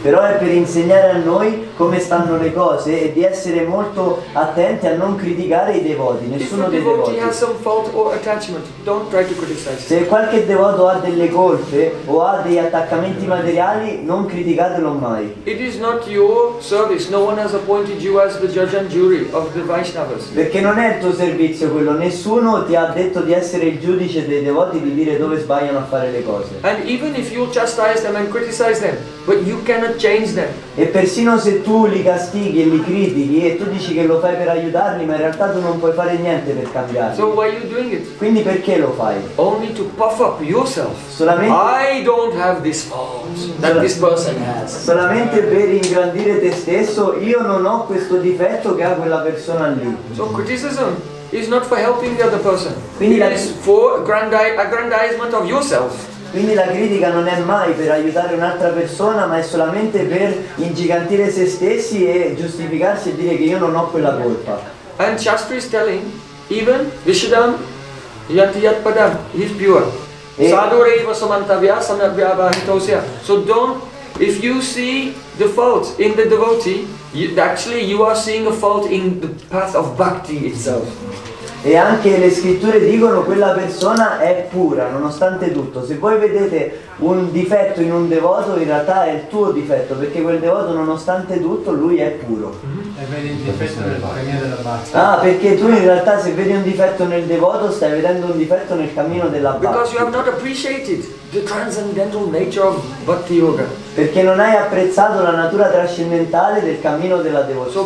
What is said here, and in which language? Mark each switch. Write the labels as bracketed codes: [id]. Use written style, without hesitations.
[it] Però è per insegnare a noi come stanno le cose e di essere molto attenti a non criticare i devoti, nessuno dei devoti. [en] If a devotee has some fault or attachment, don't try to criticize. [it] Se qualche devoto ha delle colpe o ha degli attaccamenti materiali, non criticatelo mai. [en] It is not your service, no one has appointed you as the judge and jury of the Vaishnavas. [it] Perché non è il tuo servizio quello, nessuno ti ha detto di essere il giudice dei devoti, di dire dove sbagliano a fare le cose. [en] And even if you chastise them and criticize them, but you cannot change them. [it] E persino se tu li castighi e li critichi e tu dici che lo fai per aiutarli, ma in realtà tu non puoi fare niente per cambiarli. [en] So why are you doing it? [it] Quindi perché lo fai? [en] Only to puff up yourself. [it] Solamente [en] I don't have this fault that this person has. [it] Solamente per ingrandire te stesso, io non ho questo difetto che ha quella persona lì. [en] So criticism is not for helping the other person. [it] Quindi [en] it is for aggrandizement of yourself. [it] Quindi la critica non è mai per aiutare un'altra persona, ma è solamente per ingigantire se stessi e giustificarsi e dire che io non ho quella colpa. [en] And Shastri is telling, even [sa] Vishuddham Yatiyat Padam, [en] he's pure. [sa] Sadhura Eva Samantavya Samyabhyava Hitosya. [en] So don't, if you see the fault in the devotee, actually you are seeing a fault in the path of bhakti itself. [it] E anche le scritture dicono quella persona è pura, nonostante tutto. Se voi vedete un difetto in un devoto, in realtà è il tuo difetto, perché quel devoto, nonostante tutto, lui è puro. E vedi il difetto nel cammino della bhakti. Ah, perché tu in realtà se vedi un difetto nel devoto, stai vedendo un difetto nel cammino della bhakti. [en] Because you have not appreciated the transcendental nature of bhakti yoga. [it] Perché non hai apprezzato la natura trascendentale del cammino della devozione.